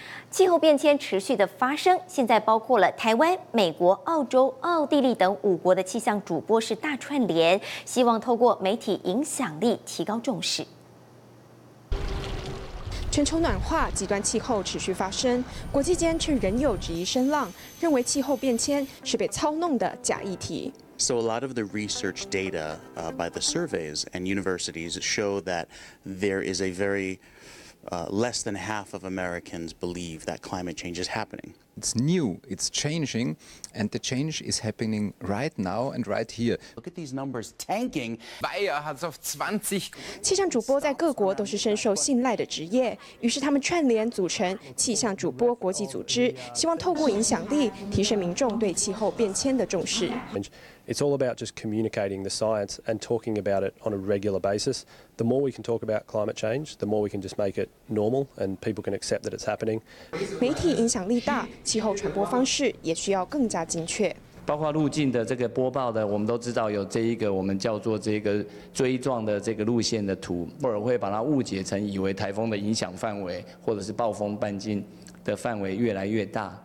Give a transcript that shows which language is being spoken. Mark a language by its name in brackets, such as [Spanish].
[Chinese] 气候变迁持续的发生，现在包括了台湾、美国、澳洲、奥地利等5国的气象主播是大串联，希望透过媒体影响力提高重视。全球暖化、极端气候持续发生，国际间却仍有质疑声浪，认为气候变迁是被操弄的假议题。 [English] So a lot of the research data by the surveys and universities show that there is a very less than half of Americans believe that climate change is happening. It's new, it's changing, and the change is happening right now and right here. Look at these numbers tanking. [Chinese] 气象主播在各国都是深受信赖的职业，于是他们串联组成气象主播国际组织，希望透过影响力提升民众对气候变迁的重视。 [English] It's all about just communicating the science and talking about it on a regular basis. The more we can talk about climate change, the more we can just make it normal and people can accept that it's happening. [Chinese] 媒体影响力大，气候传播方式也需要更加精确。包括路径的这个播报的，我们都知道有这一个我们叫做这个锥状的这个路线的图，或者会把它误解成以为台风的影响范围或者是暴风半径的范围越来越大。